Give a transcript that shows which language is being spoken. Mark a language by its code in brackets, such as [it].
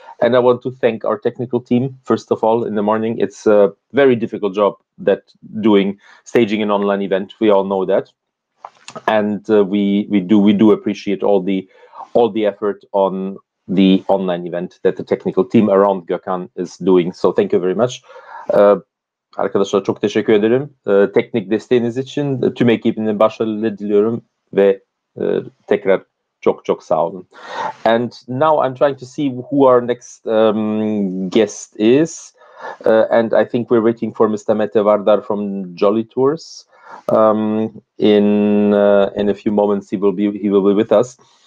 [en] And I want to thank our technical team, first of all, in the morning. It's a very difficult job that doing staging an online event. We all know that. And we do appreciate all the effort on the online event that the technical team around Gökhan is doing. So thank you very much. [tr] Arkadaşlar çok teşekkür ederim. Teknik desteğiniz için tüm ekibinin başarılı diliyorum ve tekrar çok çok sağ olun. [en] And now I'm trying to see who our next guest is. And I think we're waiting for Mr. Mete Vardar from Jolly Tours. In a few moments he will be with us.